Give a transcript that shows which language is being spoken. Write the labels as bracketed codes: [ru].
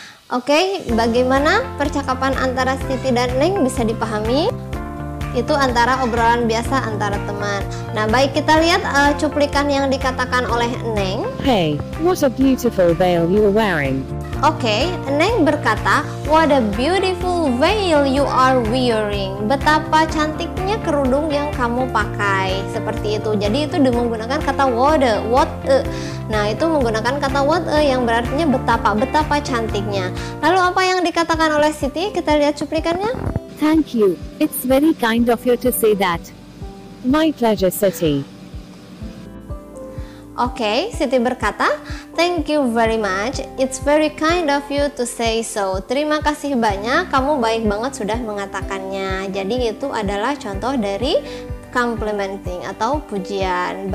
[id] Okay, bagaimana percakapan antara Siti dan Neng bisa dipahami? Itu antara obrolan biasa antara teman. Nah, baik, kita lihat cuplikan yang dikatakan oleh Neng. [en] Hey, what a beautiful veil you are wearing. Okay, [id] Neng berkata, [en] what a beautiful veil you are wearing. [id] Betapa cantiknya kerudung yang kamu pakai. Seperti itu. Jadi itu menggunakan kata what a. Nah, itu menggunakan kata what a yang berartinya betapa, betapa cantiknya. Lalu apa yang dikatakan oleh Siti? Kita lihat cuplikannya. [en] Thank you. It's very kind of you to say that. My pleasure, Siti. Okay, [id] Siti berkata, [en] thank you very much. It's very kind of you to say so. [id] Terima kasih banyak. Kamu baik banget sudah mengatakannya. Jadi itu adalah contoh dari complimenting atau pujian.